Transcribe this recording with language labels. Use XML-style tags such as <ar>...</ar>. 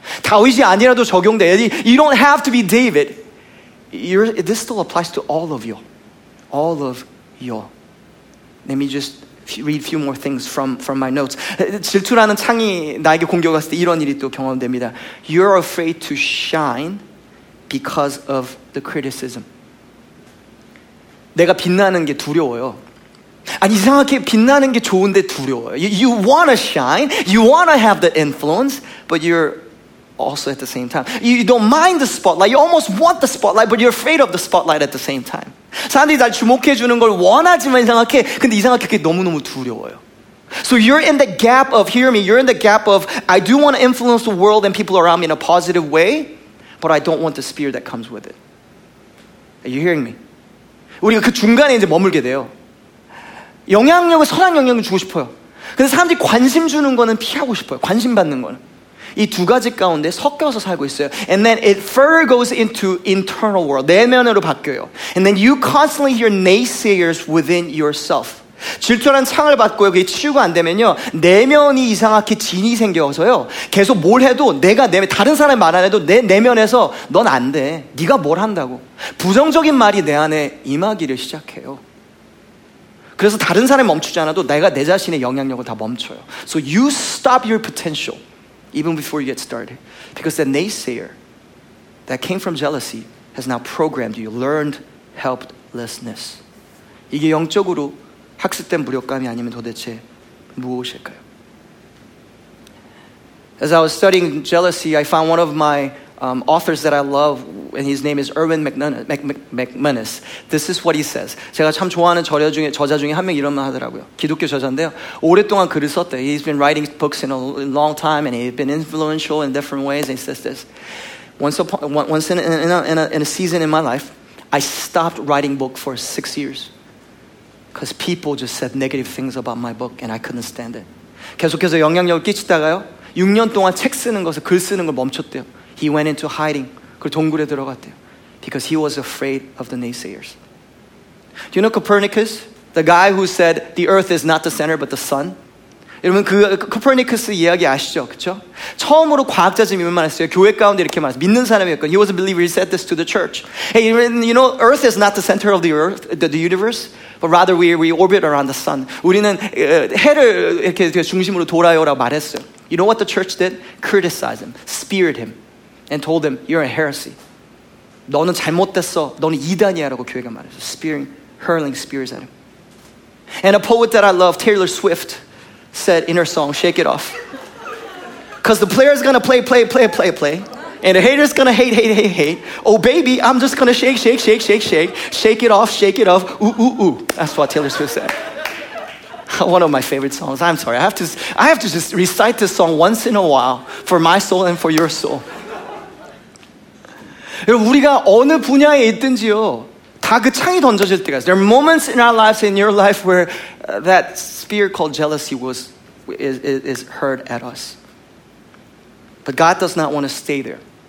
<ko>다윗이 아니라도 적용돼.</ko> <en>You don't have to be David. This still applies to all of you. All of you. Let me just read a few more things from my notes.</en> <ko>질투라는 창이 나에게 공격했을 때 이런 일이 또 경험됩니다.</ko> <en>You're afraid to shine because of the criticism.</en> <ko>내가 빛나는 게 두려워요. 아니 이상하게 빛나는 게 좋은데 두려워요.</ko> <en>You want to shine. You want to have the influence. But you're also at the same time. You don't mind the spotlight. You almost want the spotlight, but you're afraid of the spotlight at the same time.</en> <ko>사람들이 날 주목해주는 걸 원하지만 이상하게, 근데 이상하게 그게 너무너무 두려워요.</ko> <en>So you're in the gap of, hear me, you're in the gap of, I do want to influence the world and people around me in a positive way, but I don't want the spear that comes with it. Are you hearing me?</en> <ko>우리가 그 중간에 이제 머물게 돼요. 영향력을, 선한 영향을 주고 싶어요. 근데 사람들이 관심 주는 거는 피하고 싶어요. 관심 받는 거는. 이 두 가지 가운데 섞여서 살고 있어요.</ko> <en>And then it further goes into internal world.</en> <ko>내면으로 바뀌어요.</ko> <en>And then you constantly hear naysayers within yourself.</en> <ko>질투라는 창을 받고 여기 치유가 안 되면요, 내면이 이상하게 진이 생겨서요, 계속 뭘 해도 내가 내면, 다른 사람이 말 안 해도 내 내면에서 넌 안 돼. 네가 뭘 한다고. 부정적인 말이 내 안에 임하기를 시작해요. 그래서 다른 사람이 멈추지 않아도 내가 내 자신의 영향력을 다 멈춰요.</ko> <en>So you stop your potential. Even before you get started. Because the naysayer that came from jealousy has now programmed you. Learned helplessness.</en> <ko>이게 영적으로 학습된 무력감이 아니면 도대체 무엇일까요?</ko> <en>As I was studying jealousy, I found one of my authors that I love, and his name is Erwin McManus. This is what he says.</en> <ko>제가 참 좋아하는 저자 중에 한 명 이런 말 하더라고요. 기독교 저자인데요. 오랫동안 글을 썼대요.</ko> <en>He's been writing books in a long time, and he's been influential in different ways. And he says this: Once in a season in my life, I stopped writing book for 6 years because people just said negative things about my book, and I couldn't stand it.</en> <ko>계속해서 영향력을 끼치다가요, 6년 동안 책 쓰는 것을, 글 쓰는 걸 멈췄대요.</ko> <en>He went into hiding.</en> <ko>그 동굴에 들어갔대요.</ko> <en>Because he was afraid of the naysayers. Do you know Copernicus? The guy who said the earth is not the center but the sun.</en> <ko>여러분 그 코페르니쿠스 이야기 아시죠? 그렇죠? 처음으로 과학자쯤 이런 말 했어요. 교회 가운데 이렇게 말했어요. 믿는 사람이었거든.</ko> <en>He was a believer. He said this to the church. Hey, you know, earth is not the center of the earth, the universe, but rather we orbit around the sun.</en> <ko>우리는 해를 이렇게 중심으로 돌아요라고 말했어요.</ko> <en>You know what the church did? Criticized him. Speared him. And told them, you're a heresy.</en> <ko>너는 잘못됐어. 너는 이단이야 라고 교회가 말했어.</ko> <en>Spearing, hurling spears at him. And a poet that I love, Taylor Swift, said in her song, Shake It Off. Because the player's gonna play. And the hater's gonna hate. Oh baby, I'm just gonna shake. Shake it off. Ooh. That's what Taylor Swift said. One of my favorite songs. I'm sorry. I have to just recite this song once in a while for my soul and for your soul.</en> <ko>여러분 우리가 어느 분야에 있든지요 다 그 창이 던져질 때가 있어요.</ko> <en>There are moments in our lives, in your life, where that spear called jealousy is heard at us. But God does not want to stay there.</en>